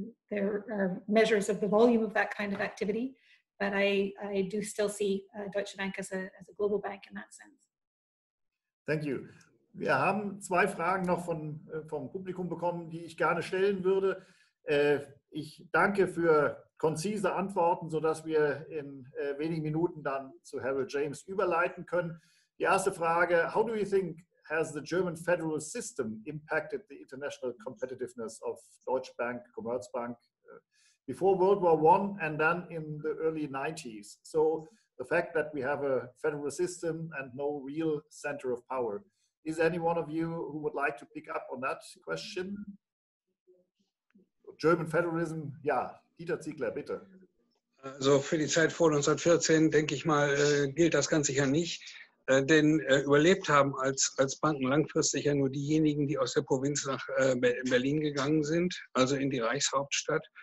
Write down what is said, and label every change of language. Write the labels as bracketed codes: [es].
[en] There are measures of the volume of that kind of activity, but I do still see Deutsche Bank as a global bank in that sense. Thank you. [de] Wir haben zwei Fragen noch vom Publikum bekommen, die ich gerne stellen würde. Ich danke für konzise Antworten, sodass wir in wenigen Minuten dann zu Harold James überleiten können. Die erste Frage: [en] How do you think has the German federal system impacted the international competitiveness of Deutsche Bank, Commerzbank, before World War I and then in the early 90s? So the fact that we have a federal system and no real center of power. Is any one of you who would like to pick up on that question? German federalism, [de] ja, Dieter Ziegler, bitte. Also für die Zeit vor 1914, denke ich mal, gilt das ganz sicher nicht. Denn überlebt haben als Banken langfristig ja nur diejenigen, die aus der Provinz nach Berlin gegangen sind, also in die Reichshauptstadt.